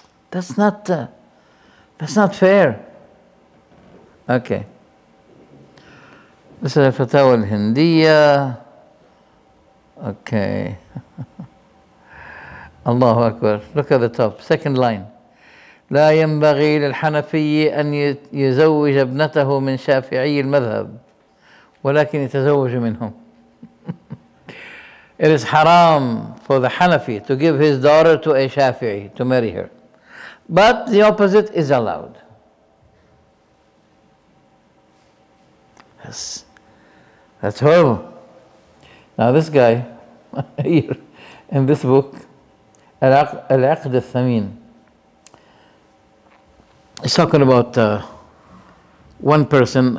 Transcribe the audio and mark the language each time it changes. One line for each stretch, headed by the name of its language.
English: That's not fair. Okay. This is a fatwa al-Hindiya. Okay. Allahu Akbar. Look at the top, second line.
Arabic: لا ينبغي للحنفي أن يزوج ابنته من شافعي المذهب ولكن يتزوج منهم.
English: It is haram for the Hanafi to give his daughter to a Shafi'i, to marry her. But the opposite is allowed. That's horrible. Now this guy, here in this book, Al-Aqd al-Thamin, he's talking about one person.